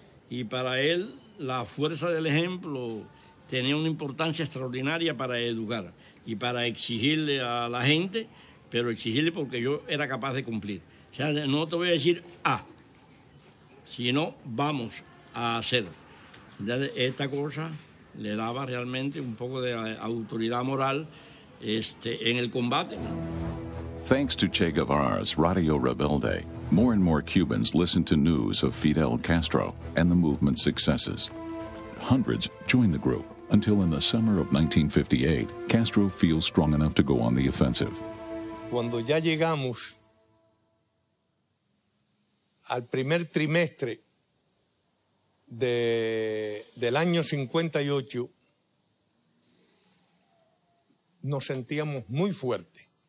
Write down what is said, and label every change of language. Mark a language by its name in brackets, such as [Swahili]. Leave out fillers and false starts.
[Spanish] Y para él, la fuerza del ejemplo tenía una importancia extraordinaria para educar y para exigirle a la gente, pero exigirle porque yo era capaz de cumplir. O sea, no te voy a decir sino vamos a hacer. Entonces, esta cosa le daba realmente un poco de autoridad moral en el combate. [English] Thanks to Che Guevara's Radio Rebelde, more and more Cubans listened to news of Fidel Castro and the movement's successes. Hundreds joined the group until in the summer of 1958, Castro feels strong enough to go on the offensive. [Spanish] Cuando ya llegamos al primer trimestre del año 58, nos sentíamos muy fuertes.